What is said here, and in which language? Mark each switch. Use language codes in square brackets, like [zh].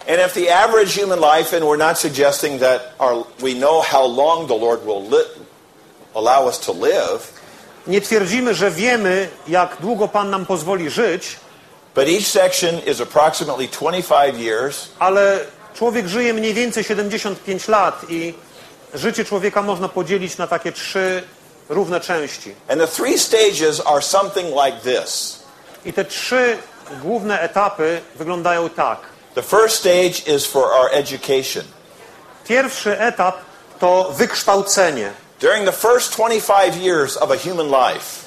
[en] And if the average human life, and we're not suggesting that we know how long the Lord will allow us to live. [pl] Nie twierdzimy, że wiemy, jak długo Pan nam pozwoli żyć. [en] But each section is approximately 25 years. [pl] Ale człowiek żyje mniej więcej 75 lat i życie człowieka można podzielić na takie trzy równe części. [en] And the three stages are something like this. [pl] I te trzy główne etapy wyglądają tak. [en] The first stage is for our education. [pl] Pierwszy etap to wykształcenie. [en] During the first 25 years of a human life.